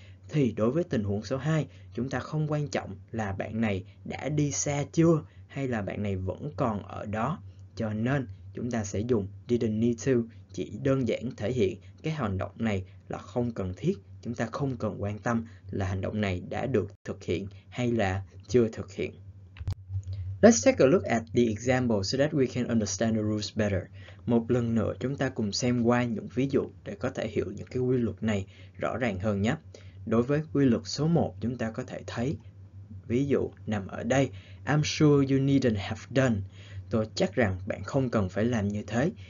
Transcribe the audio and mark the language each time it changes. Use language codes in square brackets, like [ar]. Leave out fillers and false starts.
[vi] Thì đối với tình huống số 2, chúng ta không quan trọng là bạn này đã đi xa chưa hay là bạn này vẫn còn ở đó. Cho nên chúng ta sẽ dùng didn't need to chỉ đơn giản thể hiện cái hành động này là không cần thiết. Chúng ta không cần quan tâm là hành động này đã được thực hiện hay là chưa thực hiện. [en] Let's take a look at the example so that we can understand the rules better. [vi] Một lần nữa chúng ta cùng xem qua những ví dụ để có thể hiểu những cái quy luật này rõ ràng hơn nhé. Đối với quy luật số 1 chúng ta có thể thấy ví dụ nằm ở đây. [en] I'm sure you needn't have done. [vi] Tôi chắc rằng bạn không cần phải làm như thế.